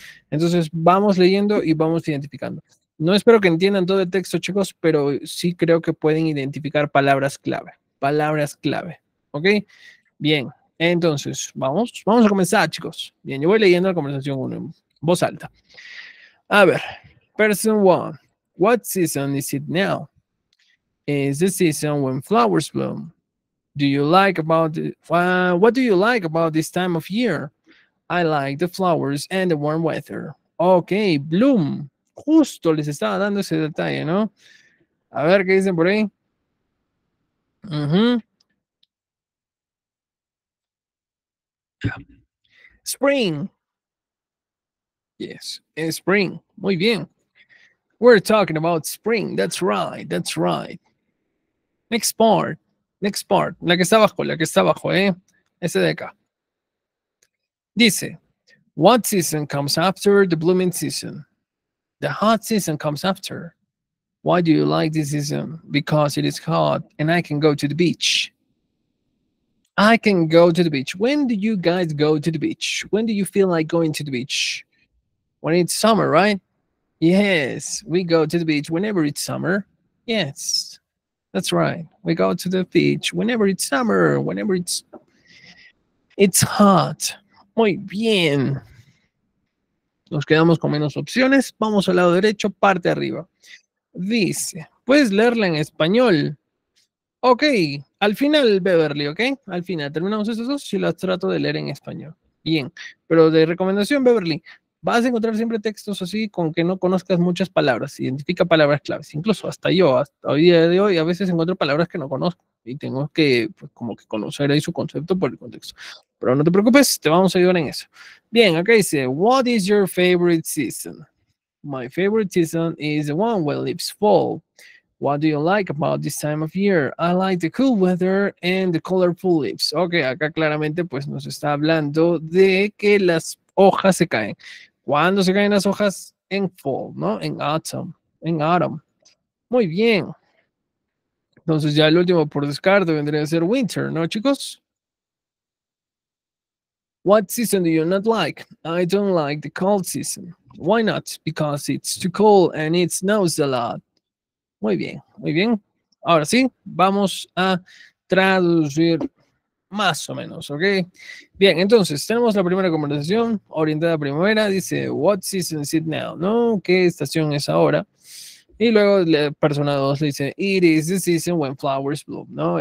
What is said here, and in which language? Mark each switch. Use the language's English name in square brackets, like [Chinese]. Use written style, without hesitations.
[Spanish] Entonces vamos leyendo y vamos identificando. No espero que entiendan todo el texto, chicos, pero sí creo que pueden identificar palabras clave. Palabras clave, ¿ok? Bien, entonces vamos a comenzar, chicos. Bien, yo voy leyendo la conversación uno en voz alta. A ver, [English] person one, what season is it now? Is the season when flowers bloom? Do you like about what do you like about this time of year? I like the flowers and the warm weather. Okay, bloom. [Spanish] Justo les estaba dando ese detalle, ¿no? A ver qué dicen por ahí. [English] Spring. Yes, spring. [Spanish] Muy bien. [English] We're talking about spring. That's right. That's right. Next part. Next part. [Spanish] La que está abajo, ¿eh? Ese de acá. Dice, [English] what season comes after the blooming season? The hot season comes after. Why do you like this season? Because it is hot and I can go to the beach. I can go to the beach. When do you guys go to the beach? When do you feel like going to the beach? When it's summer, right? Yes, we go to the beach whenever it's summer. Yes, that's right. We go to the beach whenever it's summer, whenever it's hot. [Spanish] Muy bien. Nos quedamos con menos opciones. Vamos al lado derecho, parte arriba. Dice, ¿puedes leerla en español? Ok, al final, Beverly, ¿ok? Al final, terminamos esas dos y las trato de leer en español. Bien, pero de recomendación, Beverly, vas a encontrar siempre textos así con que no conozcas muchas palabras. Identifica palabras claves. Incluso hasta yo, hasta hoy día de hoy, a veces encuentro palabras que no conozco. Y tengo que, pues, como que conocer ahí su concepto por el contexto. Pero no te preocupes, te vamos a ayudar en eso. Bien, acá dice, [English] what is your favorite season? My favorite season is the one when leaves fall. What do you like about this time of year? I like the cool weather and the colorful leaves. [Spanish] Ok, acá claramente pues nos está hablando de que las hojas se caen. ¿Cuándo se caen las hojas? En fall, ¿no? En autumn. En autumn. Muy bien. Entonces ya el último por descarte vendría a ser winter, ¿no, chicos? [English] What season do you not like? I don't like the cold season. Why not? Because it's too cold and it snows a lot. [Spanish] Muy bien, muy bien. Ahora sí, vamos a traducir más o menos, ¿ok? Bien, entonces, tenemos la primera conversación, orientada a primavera, dice, [English] what season is it now? [Spanish] ¿No? ¿Qué estación es ahora? Y luego la persona 2 le dice, [English] it is the season when flowers bloom, [Spanish] ¿no?